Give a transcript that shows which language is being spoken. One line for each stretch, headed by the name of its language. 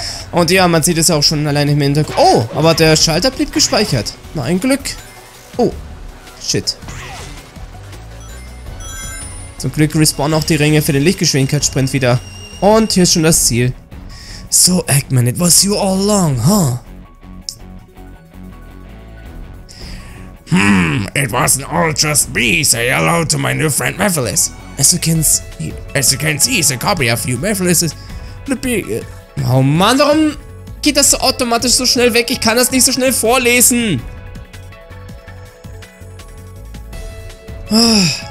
German: Und ja, man sieht es auch schon alleine im Hintergrund. Oh, aber der Schalter blieb gespeichert. Na, ein Glück.
English: Oh, shit.
German: Zum Glück respawnen auch die Ringe für den Lichtgeschwindigkeitssprint wieder. Und hier ist schon das Ziel.
English: So, Eggman, it was you all along, huh? It wasn't all just me, say hello to my new friend Mephiles. As you can see, it's a copy of you. Mephiles is the big...
German: Oh Mann, warum geht das so automatisch so schnell weg? Ich kann das nicht so schnell vorlesen. Ah.